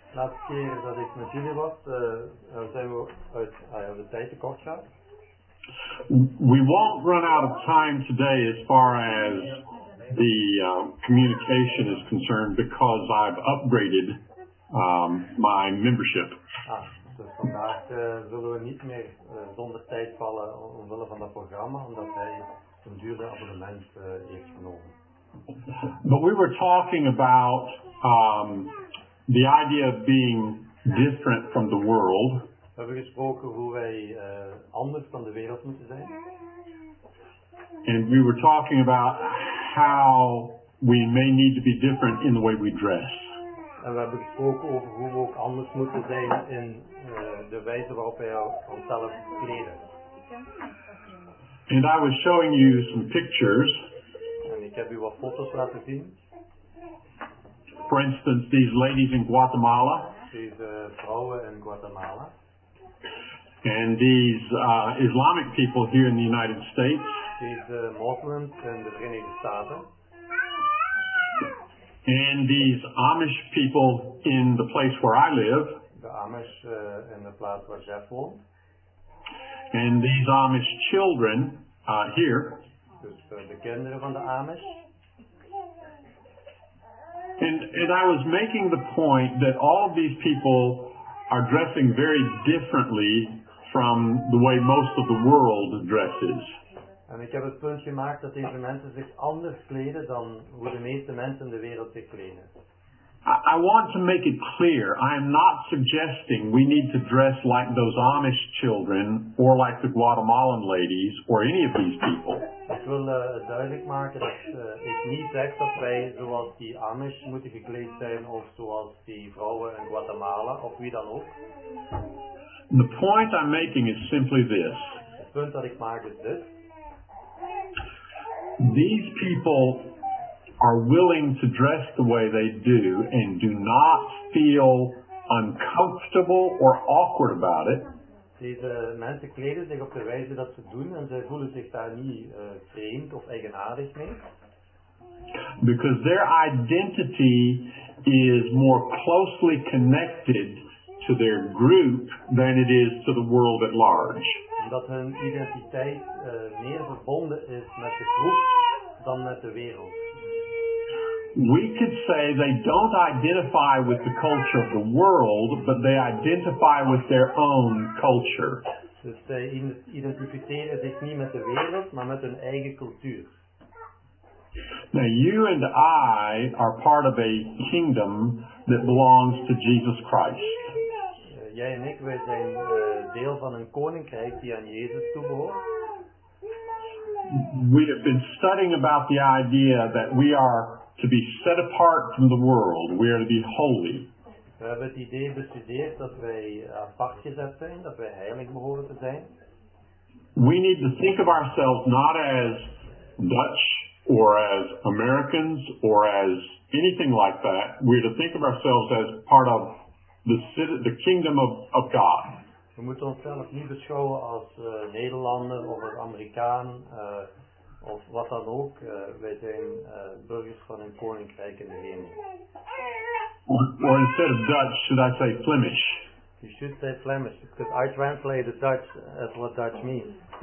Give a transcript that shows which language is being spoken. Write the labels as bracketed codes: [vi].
[en] Last year that I was with you, I was able to go. We won't run out of time today as far as the communication is concerned because I've upgraded my membership. [nl] Vandaag zullen we niet meer zonder tijd vallen omwille van dat programma, omdat hij een duurder abonnement heeft genomen. [en] But we were talking about the idea of being different from the world. [nl] We hebben gesproken hoe wij anders van de wereld moeten zijn. [en] And we were talking about how we may need to be different in the way we dress. [nl] En we hebben gesproken over hoe we ook anders moeten zijn in de wijze waarop wij onszelf kleden. [en] And I was showing you some pictures. [nl] En ik heb u wat foto's laten zien. [en] For instance, these ladies in Guatemala. [nl] Deze vrouwen in Guatemala. [en] And these Islamic people here in the United States. [nl] Deze moslims in de Verenigde Staten. [en] And these Amish people in the place where I live. The Amish in the place where Jeff woont. And these Amish children here. [nl] Dus de kinderen van de Amish. [en] And I was making the point that all of these people are dressing very differently from the way most of the world dresses. [nl] En ik heb het punt gemaakt dat deze mensen zich anders kleden dan hoe de meeste mensen in de wereld zich kleden. [en] I want to make it clear, I am not suggesting we need to dress like those Amish children or like the Guatemalan ladies or any of these people. [nl] Ik wil duidelijk maken dat ik niet zeg dat wij zoals die Amish moeten gekleed zijn of zoals die vrouwen in Guatemala of wie dan ook. [en] The point I'm making is simply this. [nl] Het punt dat ik maak is dit. [en] These people are willing to dress the way they do and do not feel uncomfortable or awkward about it. [nl] Deze mensen kleden zich op de wijze dat ze doen en ze voelen zich daar niet vreemd of eigenaardig mee. [en] Because their identity is more closely connected to their group than it is to the world at large. [nl] Omdat hun identiteit meer verbonden is met de groep dan met de wereld. [en] We could say they don't identify with the culture of the world, but they identify with their own culture. [nl] Dus zij identificeren zich niet met de wereld, maar met hun eigen cultuur. [en] Now you and I are part of a kingdom that belongs to Jesus Christ. [nl] Jij en ik, wij zijn deel van een koninkrijk die aan Jezus toebehoort. [en] We have been studying about the idea that we are to be set apart from the world. We are to be holy. [nl] We hebben het idee bestudeerd dat wij apart gezet zijn, dat wij heilig behoren te zijn. [en] We need to think of ourselves not as Dutch or as Americans or as anything like that. We are to think of ourselves as part of the kingdom of God. [nl] We moeten onszelf niet beschouwen als Nederlander of als Amerikaan of wat dan ook. Wij zijn burgers van een koninkrijk in de hemel. [en] Or instead of Dutch, should I say Flemish? You should say Flemish, because I translate the Dutch as what Dutch means.